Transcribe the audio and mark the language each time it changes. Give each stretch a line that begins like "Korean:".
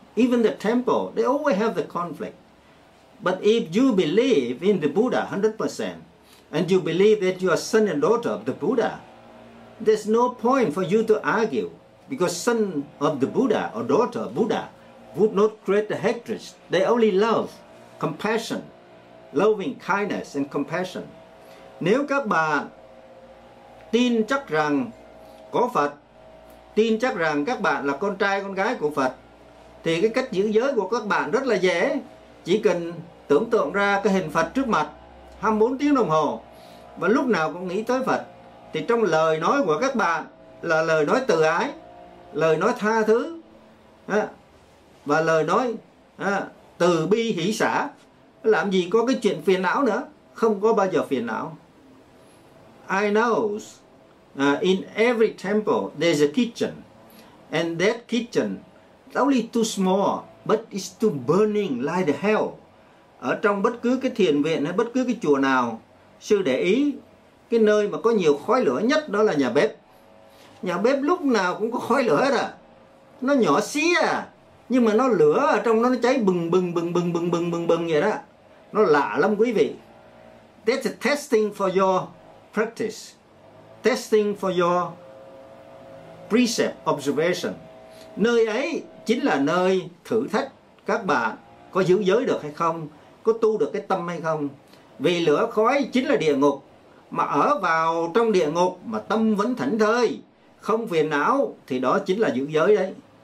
English: Even the temple, they always have the conflict. But if you believe in the Buddha 100%, and you believe that you are son and daughter of the Buddha, there's no point for you to argue, because son of the Buddha or daughter of Buddha would not create the hatred. They only love, compassion, loving kindness and compassion.
Vietnamese: Nếu các bạn tin chắc rằng có Phật, tin chắc rằng các bạn là con trai con gái của Phật, thì cái cách giữ giới của các bạn rất là dễ. Chỉ cần tưởng tượng ra cái hình Phật trước mặt 24 tiếng đồng hồ và lúc nào cũng nghĩ tới Phật, thì trong lời nói của các bạn là lời nói từ ái, lời nói tha thứ và lời nói từ bi hỷ xả. Làm gì có cái chuyện phiền não nữa, không có bao giờ phiền não.
English: I know in every temple there's a kitchen, and that kitchen only too small, but it's too burning like the hell.
Vietnamese: Ở trong bất cứ cái thiền viện hay bất cứ cái chùa nào, sư để ý cái nơi mà có nhiều khói lửa nhất đó là nhà bếp. Nhà bếp lúc nào cũng có khói lửa hết à. Nó nhỏ xí à, nhưng mà nó lửa ở trong nó cháy bừng bừng bừng bừng bừng bừng bừng bừng vậy đó. Nó lạ lắm quý vị.
English: That's a testing for your practice, testing for your precept observation.
Vietnamese: Nơi ấy chính là nơi thử thách các bạn có giữ giới được hay không, có tu được cái tâm hay không. Vì lửa khói chính là địa ngục, mà ở vào trong địa ngục mà tâm vẫn thảnh thơi, không phiền não, thì đó chính là giữ giới đấy.